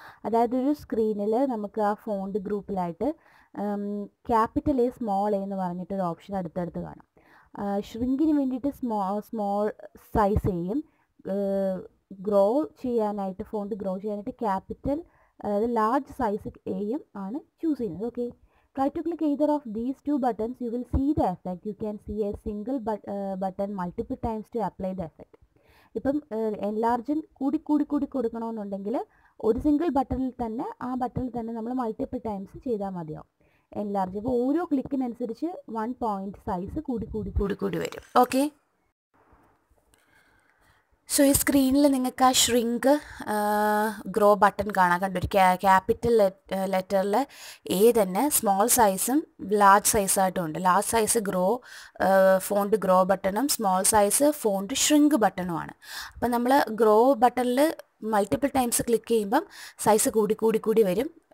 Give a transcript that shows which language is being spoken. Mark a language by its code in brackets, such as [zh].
[ml] അതായത് ഒരു സ്ക്രീനിൽ നമുക്ക് ആ font ഗ്രൂപ്പിലായിട്ട് capital A small A എന്ന് പറഞ്ഞിട്ട് ഒരു ഓപ്ഷൻ അടുത്തടുത്ത് കാണാം ഷ്രിങ്കിന് വേണ്ടിയിട്ട് സ്മോൾ സൈസ് ചെയ്യും ഗ്രോ ചെയ്യാനായിട്ട് ഫോണ്ട് ഗ്രോ ചെയ്യാനായിട്ട് ക്യാപിറ്റൽ അതായത് ലാർജ് സൈസ് എയും ആണ് ചൂസ് ചെയ്യുന്നത് okay [en] Try to click either of these two buttons, you will see the effect. You can see a single button multiple times to apply the effect. [ml] ഇപ്പം enlarging കൂടി കൂടി കൂടി കൊടുക്കണമെന്നുണ്ടെങ്കിൽ ഒരു single ബട്ടണിൽ തന്നെ ആ ബട്ടണിൽ തന്നെ നമ്മൾ മൾട്ടിപ്പിൾ ടൈംസ് ചെയ്താൽ മതിയാവും എൻലാർജ് ഇപ്പോൾ ഓരോ ക്ലിക്കിനനുസരിച്ച് 1 point സൈസ് കൂടി കൂടി കൂടി കൂടി വരും ഓക്കെ സോ ഈ സ്ക്രീനിൽ നിങ്ങൾക്ക് ആ ഷ്രിങ്ക് ഗ്രോ ബട്ടൺ കാണാൻ കണ്ടു ഒരു ക്യാപിറ്റൽ ലെറ്ററിൽ എ തന്നെ സ്മോൾ സൈസും ലാർജ് സൈസായിട്ടും ഉണ്ട് large size grow font grow ബട്ടണും സ്മോൾ സൈസ് ഫോണ്ട് ഷ്രിങ്ക് ബട്ടണുമാണ് അപ്പം നമ്മൾ ഗ്രോ ബട്ടണിൽ മൾട്ടിപ്പിൾ ടൈംസ് ക്ലിക്ക് ചെയ്യുമ്പം സൈസ് കൂടി കൂടി കൂടി വരും